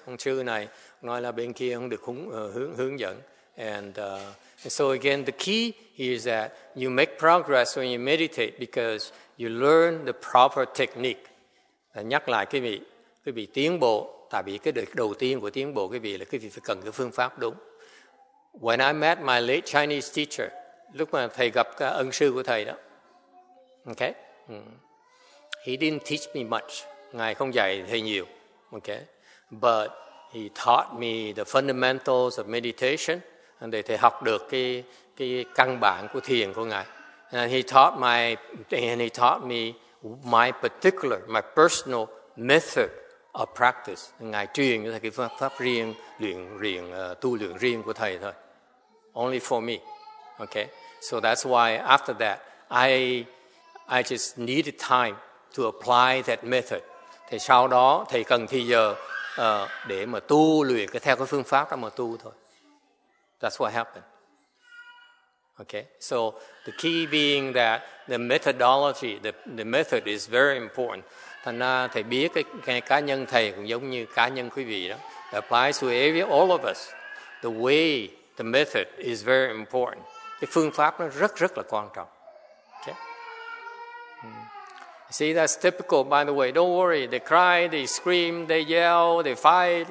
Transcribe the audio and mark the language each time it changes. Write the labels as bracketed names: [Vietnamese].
[Vietnamese] Ông sư này nói là bên kia không được hướng dẫn. [English] And so again, the key is that you make progress when you meditate because you learn the proper technique. [Vietnamese] Nhắc lại cái vị tiến bộ. Tại vì cái đầu tiên của tiến bộ quý vị là quý vị phải cần cái phương pháp đúng. [English] When I met my late Chinese teacher, [Vietnamese] lúc mà thầy gặp cái ân sư của thầy đó, [English] okay, he didn't teach me much. [Vietnamese] Ngài không dạy thầy nhiều. [English] Okay, but he taught me the fundamentals of meditation, and [Vietnamese] để thầy học được cái căn bản của thiền của Ngài. [English] And he taught me my personal method of practice. [Vietnamese] Ngài truyền cho thầy cái phương pháp riêng, luyện riêng, tu luyện riêng của thầy thôi. [English] Only for me. Okay. So that's why after that, I just needed time to apply that method. [Vietnamese] Thì sau đó thầy cần thì giờ để mà tu luyện cái theo cái phương pháp đó mà tu thôi. [English] That's what happened. Okay. So the key being that the methodology, the method is very important. [Vietnamese] Thành ra thầy biết cái cá nhân thầy cũng giống như cá nhân quý vị đó. [English] It applies to all of us. The way, the method is very important. [Vietnamese] Cái phương pháp nó rất rất là quan trọng. [English] See, that's typical, by the way. Don't worry. They cry, they scream, they yell, they fight.